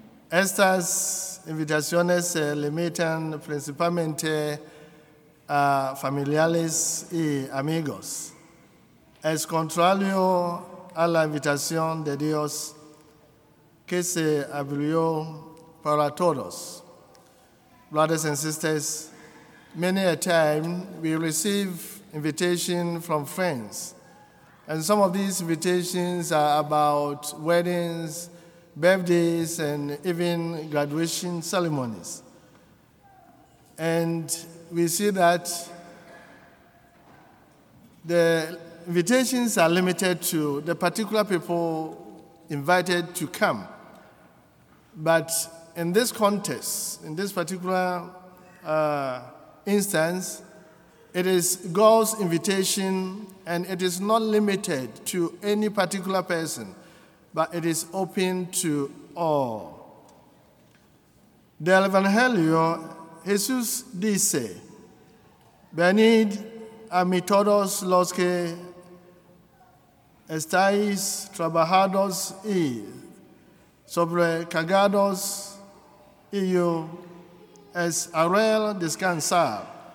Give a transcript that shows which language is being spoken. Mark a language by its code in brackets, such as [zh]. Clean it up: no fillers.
[es] Estas invitaciones se limitan principalmente a familiares y amigos. Es contrario a la invitación de Dios que se abrió para todos. [en] Brothers and sisters, many a time we receive invitations from friends, and some of these invitations are about weddings, birthdays, and even graduation ceremonies. And we see that the invitations are limited to the particular people invited to come. But in this context, in this particular instance, it is God's invitation, and it is not limited to any particular person, but it is open to all. [es] Del Evangelio, Jesús dice, venid a mí todos los que estáis trabajados y sobrecargados, y yo os haré descansar.